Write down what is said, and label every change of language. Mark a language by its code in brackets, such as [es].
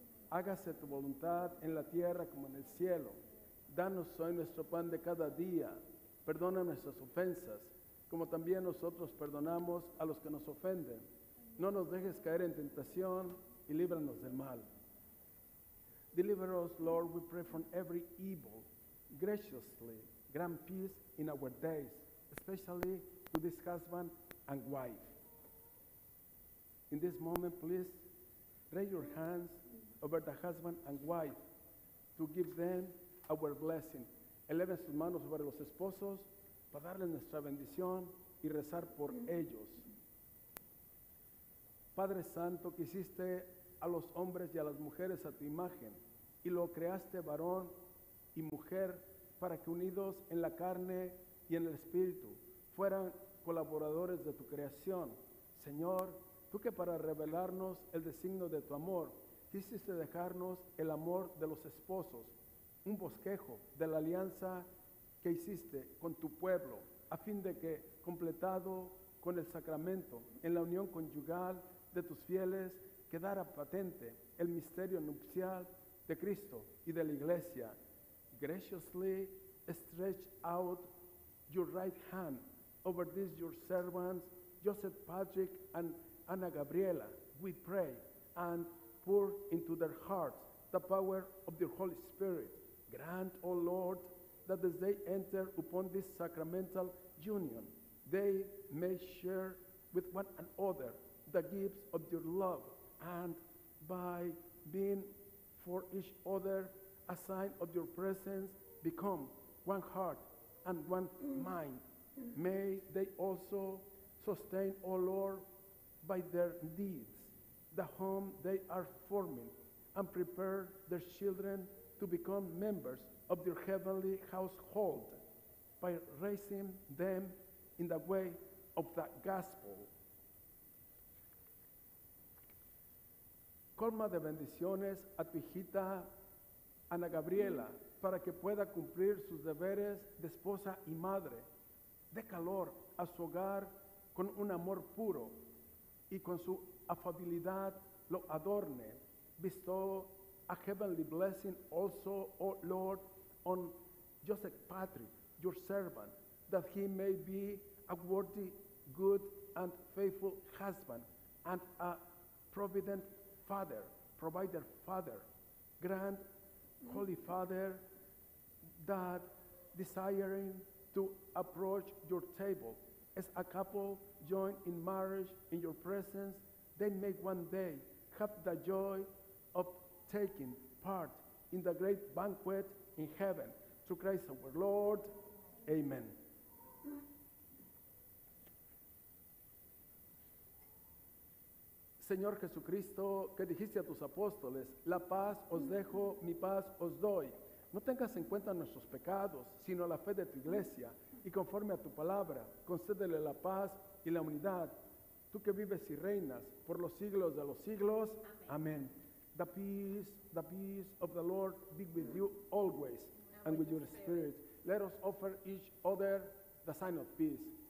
[es] Hágase tu voluntad en la tierra como en el cielo. Danos hoy nuestro pan de cada día. Perdona nuestras ofensas, como también nosotros perdonamos a los que nos ofenden. No nos dejes caer en tentación y líbranos del mal. [en] Deliver us, Lord, we pray, from every evil. Graciously grant peace in our days, especially to this husband and wife. In this moment, please raise your hands over the husband and wife to give them our blessing. [es] Eleven sus manos sobre los esposos para darle nuestra bendición y rezar por ellos. Padre Santo, que hiciste a los hombres y a las mujeres a tu imagen, y lo creaste varón y mujer para que unidos en la carne y en el espíritu fueran colaboradores de tu creación. Señor, tú que para revelarnos el designio de tu amor, quisiste dejarnos el amor de los esposos, un bosquejo de la alianza que hiciste con tu pueblo, a fin de que, completado con el sacramento, en la unión conyugal de tus fieles, quedara patente el misterio nupcial de Cristo y de la Iglesia. [en] Graciously stretch out your right hand over these your servants, Joseph Patrick and Ana Gabriela, we pray, and pour into their hearts the power of your Holy Spirit. Grant, O Lord, that as they enter upon this sacramental union, they may share with one another the gifts of your love, and by being for each other a sign of your presence, become one heart and one mind. May they also sustain, O Lord, by their deeds, the home they are forming, and prepare their children to become members of your heavenly household by raising them in the way of the gospel. [es] Colma de bendiciones a tu hijita Ana Gabriela para que pueda cumplir sus deberes de esposa y madre. De calor a su hogar con un amor puro y con su afabilidad lo adorne. [en] Bestow a heavenly blessing also, O Lord, on Joseph Patrick, your servant, that he may be a worthy, good, and faithful husband, and a provident father, provider father. Grant, Holy Father, that desiring to approach your table as a couple joined in marriage in your presence, they may one day have the joy of taking part in the great banquet in heaven, through Christ our Lord. Amen. [es] Señor Jesucristo, que dijiste a tus apóstoles, la paz os dejo, mi paz os doy. No tengas en cuenta nuestros pecados, sino la fe de tu iglesia, y conforme a tu palabra, concédele la paz y la unidad. Tú que vives y reinas por los siglos de los siglos. Amén. [en] The peace of the Lord be with you always, and with your spirit. Let us offer each other the sign of peace.